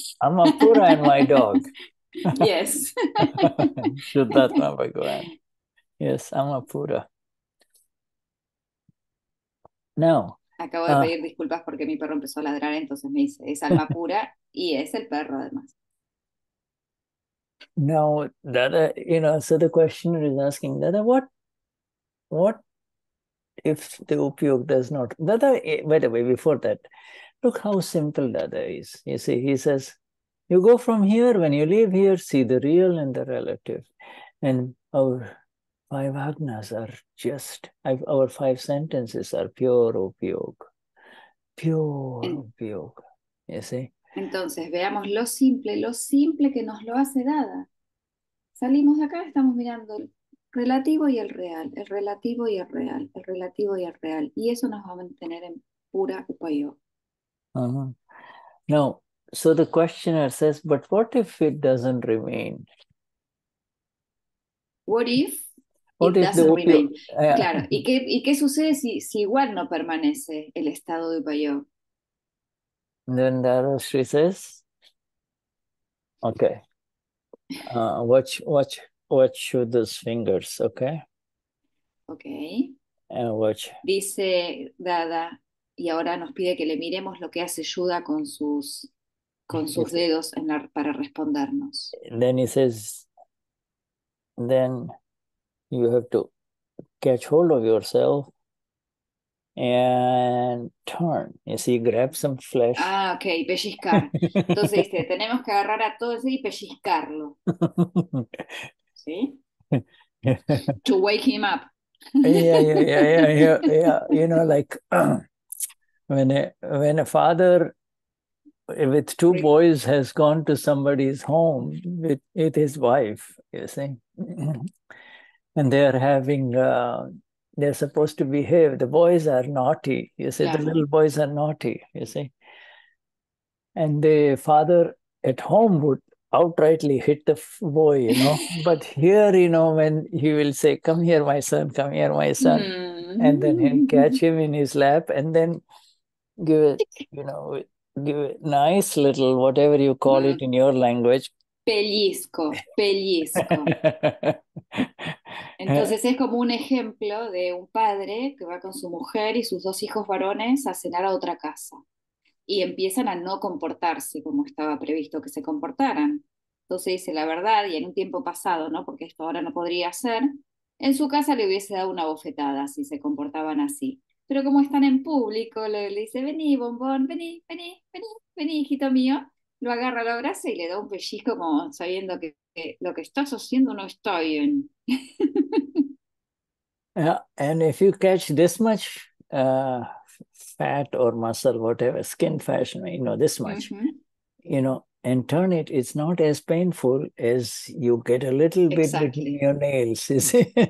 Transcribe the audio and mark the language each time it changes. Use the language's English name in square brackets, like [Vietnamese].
[English] Amapura and my dog. Yes. Vishuddhatma Bhagavan. Yes, Amapura. Now. [Spanish] Acabo de pedir disculpas porque mi perro empezó a ladrar, entonces me dice, es alma pura y es el perro además. [English] Now, Dada, you know, so the questioner is asking, Dada, what if the Upayog does not? Dada, by the way, before that, look how simple Dada is. You see, he says, you go from here, when you leave here, see the real and the relative. And our five agnas are just, our five sentences are pure Upayoga. Pure Upayoga, you see? [Spanish] Entonces, veamos lo simple que nos lo hace Dada. Salimos de acá, estamos mirando el relativo y el real, el relativo y el real, el relativo y el real. Y eso nos va a mantener en pura Upayoga. No. [English] So the questioner says, but what if it doesn't remain? What if what it if doesn't Upayoga, remain? [Spanish] Claro, ¿y qué sucede si igual no permanece el estado de Upayoga? [English] Then Dadashri says, okay, watch Shuddha's fingers, okay? Okay. And watch. [Spanish] Dice Dada, y ahora nos pide que le miremos lo que hace Shuddha con sus... con sus dedos en la, para respondernos. [English] Then he says, then you have to catch hold of yourself and turn. You see, grab some flesh. [Spanish] Ah, okay, pellizcar. Entonces dice, tenemos que agarrar a todos y pellizcarlo. ¿Sí? [English] To wake him up. You know, like when a father with two boys has gone to somebody's home with his wife, you see, and they're having they're supposed to behave. The boys are naughty, you see. Yeah. The little boys are naughty, you see. And the father at home would outrightly hit the boy, you know. But here, you know, when he will say, come here, my son, come here, my son. And then he'll catch him in his lap and then give it, you know, give a nice little, whatever you call it in your language. [Spanish] Pellizco, pellizco. Entonces es como un ejemplo de un padre que va con su mujer y sus dos hijos varones a cenar a otra casa. Y empiezan a no comportarse como estaba previsto que se comportaran. Entonces dice, la verdad, y en un tiempo pasado, ¿no? Porque esto ahora no podría ser, en su casa le hubiese dado una bofetada si se comportaban así. Pero como están en público, le dice, vení, bombón, vení, vení, vení, vení, hijito mío. Lo agarra, lo abraza y le da un pellizco como sabiendo que lo que estás haciendo no está bien. [English] And if you catch this much fat or muscle, whatever, skin fashion, you know, this much, you know, and turn it, it's not as painful as you get a little bit between your nails, you see.